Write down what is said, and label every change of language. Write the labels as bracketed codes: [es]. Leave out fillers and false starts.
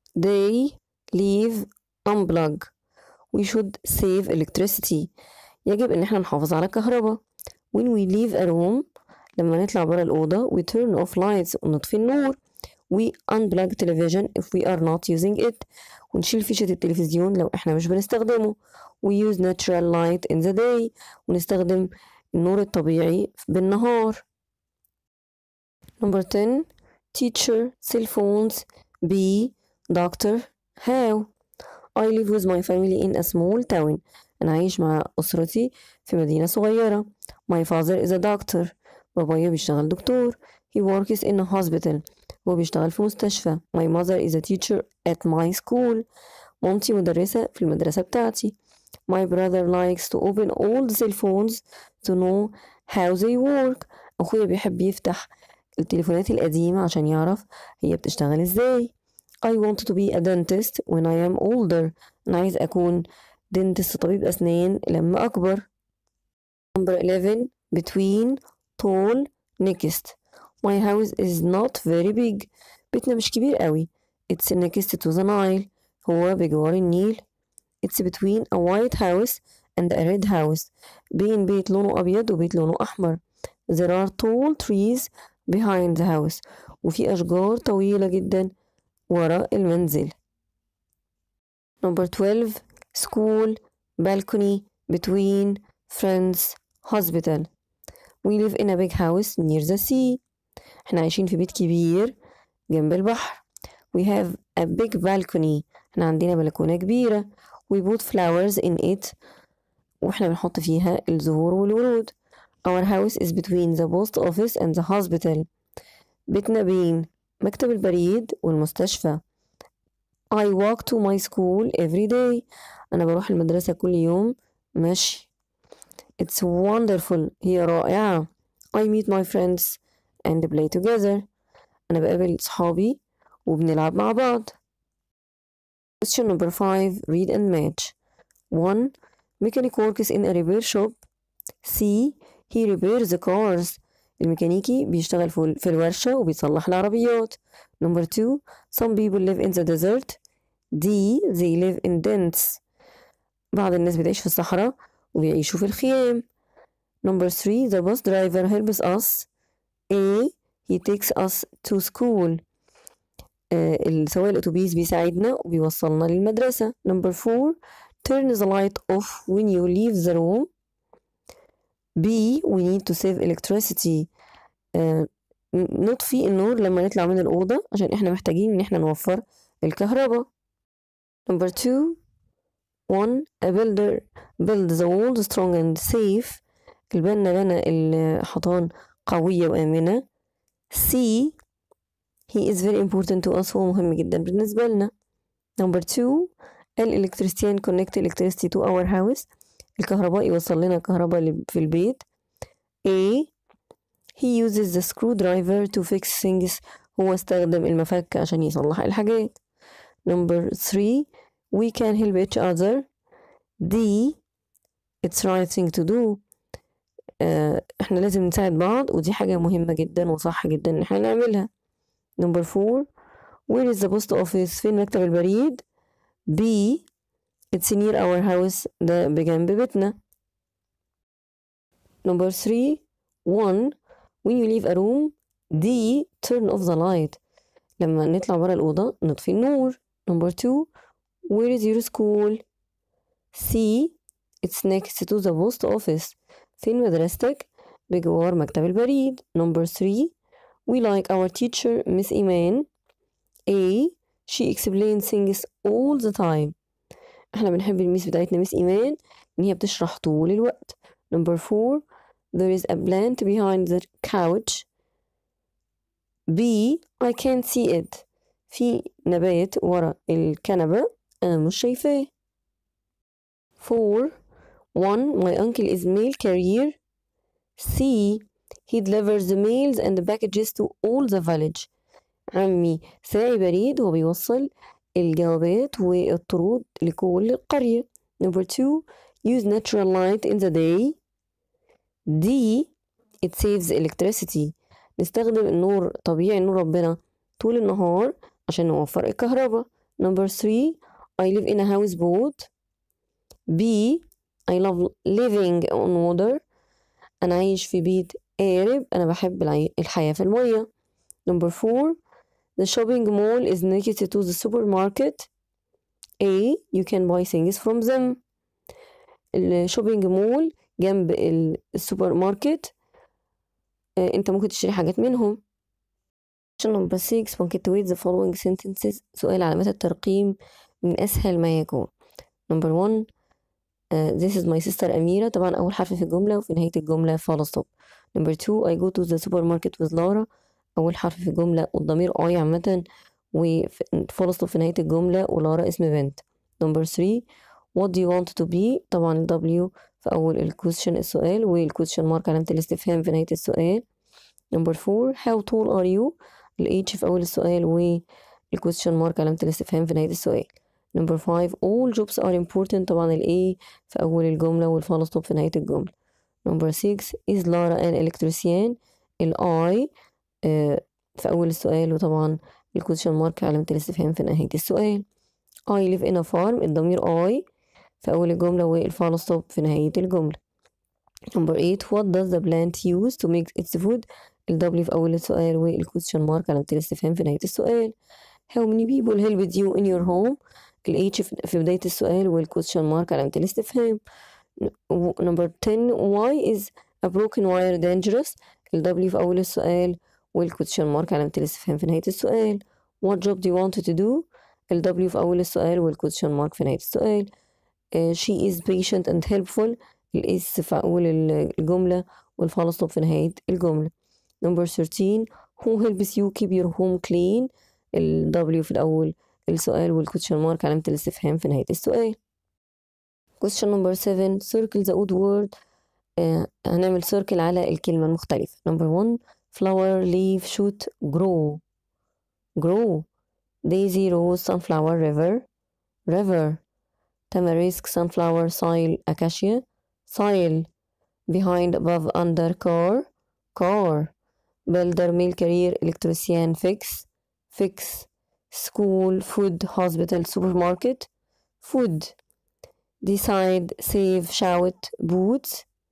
[en] They leave unplug. We should save electricity. [ar] يجب ان احنا نحافظ على الكهرباء. [en] When we leave a room, [ar] لما نطلع برا الأوضة, [en] we turn off lights, [ar] ونطفي النور. [en] We unplug television if we are not using it, [ar] ونشيل فيشة التلفزيون لو احنا مش بنستخدمه. [en] We use natural light in the day, [ar] ونستخدم النور الطبيعي بالنهار. [en] Number 10. Teacher, cell phones, be, doctor, how. I live with my family in a small town. [ar] أنا عايش مع أسرتي في مدينة صغيرة. [en] My father is a doctor. [ar] بابايا بيشتغل دكتور. [en] He works in a hospital. [ar] هو بيشتغل في مستشفى. [en] My mother is a teacher at my school. [ar] مامتي مدرسة في المدرسة بتاعتي. [en] My brother likes to open all the cell phones to know how they work. [ar] أخويا بيحب يفتح التليفونات القديمة عشان يعرف هي بتشتغل إزاي. [en] I want to be a dentist when I am older. [ar] أنا عايز أكون dentist طبيب أسنان لما أكبر. [en] Number 11 between tall next. My house is not very big. [ar] بيتنا مش كبير قوي. [en] It's next to the Nile. [ar] هو بجوار النيل. [en] It's between a white house and a red house. [ar] بين بيت لونه أبيض وبيت لونه أحمر. [en] There are tall trees behind the house. [ar] وفي أشجار طويلة جدا وراء المنزل. [en] Number 12. School balcony between friends hospital. We live in a big house near the sea. [ar] احنا عايشين في بيت كبير جنب البحر. [en] We have a big balcony. [ar] احنا عندنا بلكونة كبيرة. [en] We put flowers in it. [ar] واحنا بنحط فيها الزهور والورود. [en] Our house is between the post office and the hospital. [ar] بيتنا بين مكتب البريد والمستشفى. [en] I walk to my school every day. [ar] انا بروح المدرسة كل يوم ماشي. [en] It's wonderful. [ar] هي رائعة. [en] I meet my friends and play together. [ar] انا بقابل صحابي وبنلعب مع بعض. [en] Question number 5. Read and match. 1. Mechanic works in a repair shop. C. He repairs the cars. [ar] الميكانيكي بيشتغل في الورشة وبيصلح العربيات. [en] Number 2. Some people live in the desert. D. They live in tents. [ar] بعض الناس بتعيش في الصحراء وبيعيشوا في الخيام. [en] Number 3. The bus driver helps us. A. He takes us to school. [ar] السواق الأتوبيس بيساعدنا وبيوصلنا للمدرسة. [en] Number 4. Turn the light off when you leave the room. B. We need to save electricity. [ar] نطفي النور لما نطلع من الأوضة عشان إحنا محتاجين إن إحنا نوفر الكهرباء. [en] Number 2. 1. A builder builds the walls strong and safe. [ar] البنا بنا الحيطان قوية وآمنة. C. [en] He is very important to us. [ar] هو مهم جدا بالنسبة لنا. [en] Number 2. An electrician connects electricity to our house. [ar] الكهرباء يوصل لنا الكهرباء في البيت. [en] A. He uses the screwdriver to fix things. [ar] هو استخدم المفك عشان يصلح الحاجات. [en] Number 3. We can help each other. D. It's right thing to do. [ar] احنا لازم نساعد بعض ودي حاجة مهمة جدا وصح جدا ان احنا نعملها. [en] Number 4. Where is the post office? [ar] فين مكتب البريد؟ [en] B. It's near our house. [ar] ده بجنب بيتنا. [en] Number 3. 1. When you leave a room, D. Turn off the light. [ar] لما نطلع برا الأوضة نطفي النور. [en] Number 2. Where is your school? C. It's next to the post office. [ar] فين مدرستك؟ بجوار مكتب البريد. [en] Number 3. We like our teacher, Miss Iman. A. She explains things all the time. [ar] احنا بنحب الميس بتاعتنا ميس ايمان ان هي بتشرح طول الوقت. Number 4. [en] There is a plant behind the couch. B. I can't see it. [ar] في نبات ورا الكنبة انا مش شايفاه. [en] 4. 1. My uncle is mail carrier. C. He delivers the mails and the packages to all the village. [ar] عمي ساعي بريد وبيوصل الجوابات والطرود لكل القرية. [en] Number 2. Use natural light in the day. D. It saves electricity. [ar] نستخدم النور طبيعي نور ربنا طول النهار عشان نوفر الكهرباء. [en] Number 3. I live in a houseboat. B. I love living on water. [ar] أنا عايش في بيت قارب. أنا بحب الحياة في المية. [en] Number 4. The shopping mall is next to the supermarket. A. You can buy things from them. [ar] الشوبينج مول جنب السوبر ماركت. أنت ممكن تشتري حاجات منهم. [en] Number 6. Punctuate the following sentences. [ar] سؤال علامات الترقيم من أسهل ما يكون. [en] Number 1. This is my sister Amira. [ar] طبعا أول حرف في الجملة وفي نهاية الجملة فول ستوب. [en] Number 2. I go to the supermarket with Laura. [ar] أول حرف في الجملة والضمير I عامة وفول ستوب في نهاية الجملة ولارا اسم بنت. [en] number 3 what do you want to be. [ar] طبعا ال W في أول ال question السؤال وال question mark علامة الاستفهام في نهاية السؤال. [en] number 4 how tall are you. [ar] ال H في أول السؤال وال question mark علامة الاستفهام في نهاية السؤال. [en] number 5 all jobs are important. [ar] طبعا ال A في أول الجملة والفول ستوب في نهاية الجملة. [en] number 6 is Lara an electrician. [ar] ال I في أول السؤال وطبعا ال question mark علامة الاستفهام في نهاية السؤال. [en] I live in a farm. [ar] الضمير I في أول الجملة والفول ستوب في نهاية الجملة. [en] number 8 what does the plant use to make its food. [ar] ال W في أول السؤال وال question mark علامة الاستفهام في نهاية السؤال. [en] how many people helped you in your home. [ar] ال H في بداية السؤال وال question mark علامة الاستفهام. [en] number 10 why is a broken wire dangerous. [ar] ال W في أول السؤال وال question mark علامة الاستفهام في نهاية السؤال. [en] what job do you want to do. [ar] ال W في أول السؤال وال question mark في نهاية السؤال. [en] she is patient and helpful. [ar] ال S في أول الجملة والفول ستوب في نهاية الجملة. [en] number 13 who helps you keep your home clean. [ar] ال W في الأول السؤال وال question mark علامة الاستفهام في نهاية السؤال. [en] question number 7 circle the odd word. [ar] هنعمل سيركل على الكلمة المختلفة. [en] number 1 flower leaf shoot grow daisy rose sunflower river tamarisk sunflower soil acacia soil behind above under car builder mill career electrician fix school food hospital supermarket food decide save shout boots